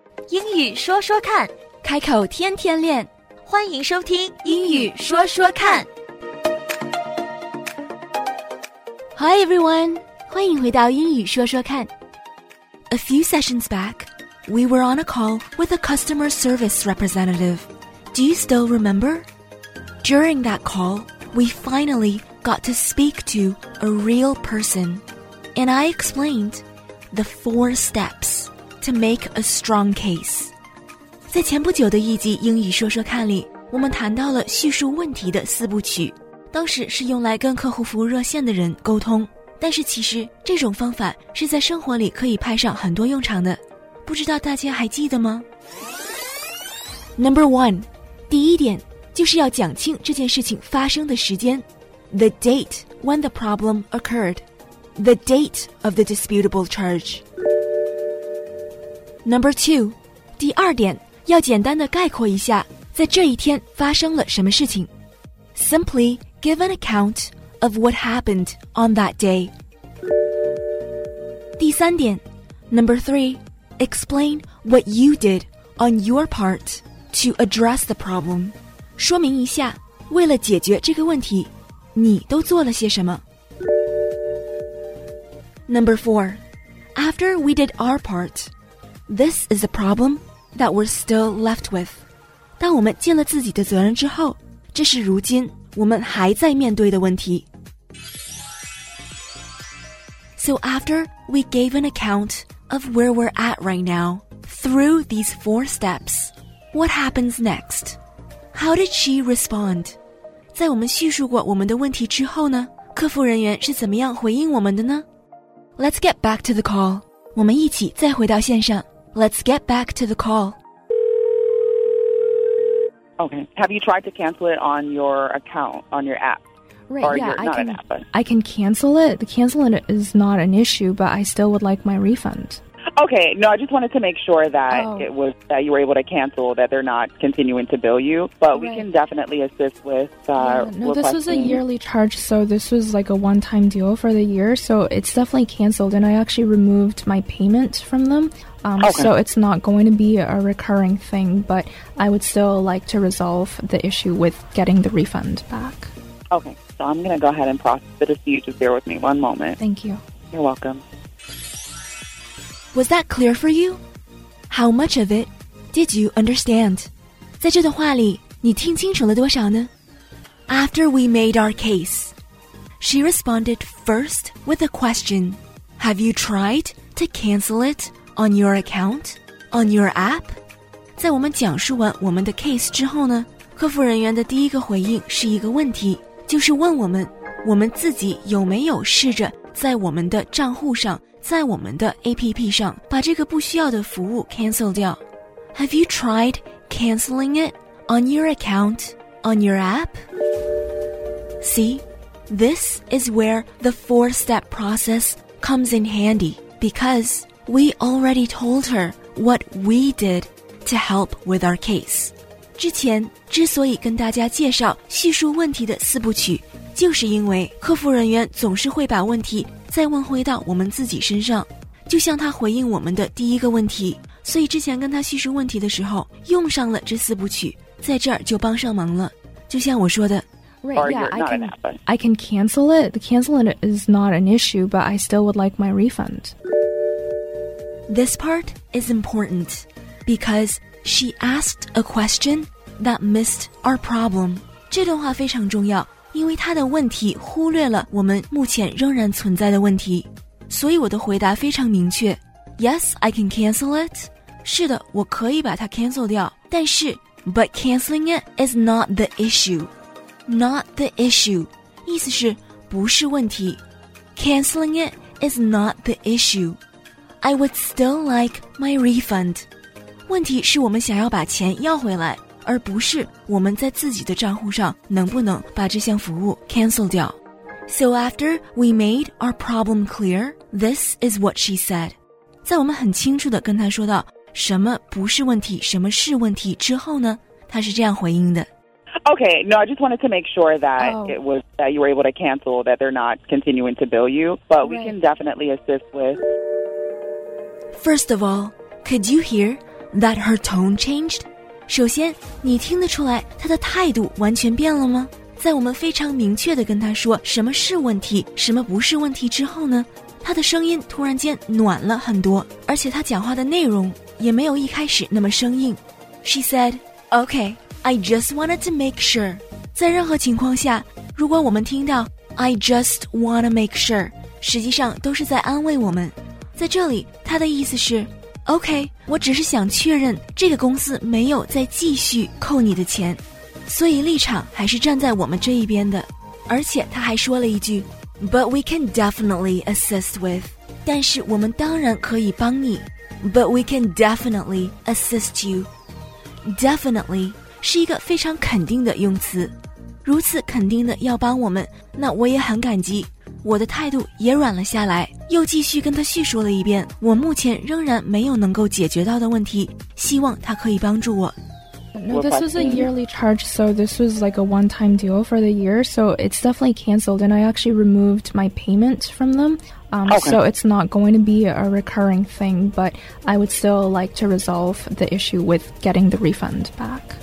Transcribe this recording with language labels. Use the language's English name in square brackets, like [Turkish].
[Chinese] 英语说说看，开口天天练，欢迎收听英语说说看。 [English] Hi everyone, [Chinese] 欢迎回到英语说说看。 [English] A few sessions back, we were on a call with a customer service representative. Do you still remember? During that call, we finally got to speak to a real person. And I explained the 4 steps to make a strong case. [Chinese] 在前不久的一集英语说说看里，我们谈到了叙述问题的四部曲。当时是用来跟客户服务热线的人沟通，但是其实这种方法是在生活里可以派上很多用场的，不知道大家还记得吗？ [English] Number one， [Chinese] 第一点就是要讲清这件事情发生的时间， [English] The date when the problem occurred， The date of the disputable charge。 Number two， [Chinese] 第二点要简单的概括一下在这一天发生了什么事情， [English] SimplyGive an account of what happened on that day. [Chinese] 第三点 [English] Number three, explain what you did on your part to address the problem. [Chinese] 说明一下为了解决这个问题你都做了些什么。 [English] Number four, after we did our part, this is the problem that we're still left with. [Chinese] 当我们尽了自己的责任之后，这是如今我们还在面对的问题。 [English] So after we gave an account of where we're at right now through these 4 steps, what happens next? How did she respond? [Chinese] 在我们叙述过我们的问题之后呢，客服人员是怎么样回应我们的呢？ [English] Let's get back to the call. [Chinese] 我们一起再回到线上。 [English] Let's get back to the call. Okay. Have you tried to cancel it on your account, on your app? Right, or yeah, your, I can cancel it. The canceling it is not an issue, but I still would like my refund. Okay, no, I just wanted to make sure that it was, that you were able to cancel, that they're not continuing to bill you. But we can definitely assist with No, this was a yearly charge, so this was like a one-time deal for the year. So it's definitely canceled, and I actually removed my payment from them. So it's not going to be a recurring thing, but I would still like to resolve the issue with getting the refund back. Okay, so I'm going to go ahead and process the dispute. Just bear with me one moment. Thank you. You're welcome. Was that clear for you? How much of it did you understand? [Chinese] 在这段话里，你听清楚了多少呢？ [English] After we made our case, she responded first with a question. Have you tried to cancel it on your account? On your app? [Chinese] 在我们讲述完我们的 case 之后呢，客服人员的第一个回应是一个问题，就是问我们，我们自己有没有试着在我们的账户上，在我们的 APP 上把这个不需要的服务 cancel 掉。 [English] Have you tried canceling it on your account, on your app? See, this is where the 4-step process comes in handy, because we already told her what we did to help with our case. [Chinese] 之前之所以跟大家介绍叙述问题的四部曲，就是因为客服人员总是会把问题再问回到我们自己身上，就像他回应我们的第一个问题，所以之前跟他叙述问题的时候用上了这四部曲，在这儿就帮上忙了。就像我说的 [English] Right, yeah, I can cancel it. The canceling it is not an issue, but I still would like my refund. This part is important because she asked a question that missed our problem. [Chinese] 这段话非常重要，因为他的问题忽略了我们目前仍然存在的问题，所以我的回答非常明确。 [English] Yes, I can cancel it. [Chinese] 是的，我可以把它 cancel 掉。但是 [English] ，But canceling it is not the issue. Not the issue. [Chinese] 意思是不是问题。 [English] Canceling it is not the issue. I would still like my refund. [Chinese] 问题是我们想要把钱要回来，而不是我们在自己的账户上能不能把这项服务 cancel 掉。 [English] So after we made our problem clear, this is what she said. [Chinese] 在我们很清楚地跟她说到什么不是问题，什么是问题之后呢，她是这样回应的。 [English] Okay, no, I just wanted to make sure that it was that you were able to cancel, that they're not continuing to bill you, but we can definitely assist with. First of all, could you hear that her tone changed? [Chinese] 首先，你听得出来她的态度完全变了吗？在我们非常明确地跟她说什么是问题，什么不是问题之后呢？她的声音突然间暖了很多，而且她讲话的内容也没有一开始那么生硬。 [English] She said, okay. I just wanted to make sure. [Chinese] 在任何情况下，如果我们听到 [English] I just want to make sure, [Chinese] 实际上都是在安慰我们。在这里，他的意思是 OK, 我只是想确认这个公司没有再继续扣你的钱。所以立场还是站在我们这一边的。而且他还说了一句 [English] But we can definitely assist with. [Chinese] 但是我们当然可以帮你。 [English] But we can definitely assist you. Definitely. [Chinese] 是一个非常肯定的用词，如此肯定的要帮我们，那我也很感激。我的态度也软了下来，又继续跟他叙述了一遍我目前仍然没有能够解决到的问题，希望他可以帮助我。 [English] No, this was a yearly charge, so this was like a one-time deal for the year, so it's definitely canceled, and I actually removed my payment from them, so it's not going to be a recurring thing, but I would still like to resolve the issue with getting the refund back.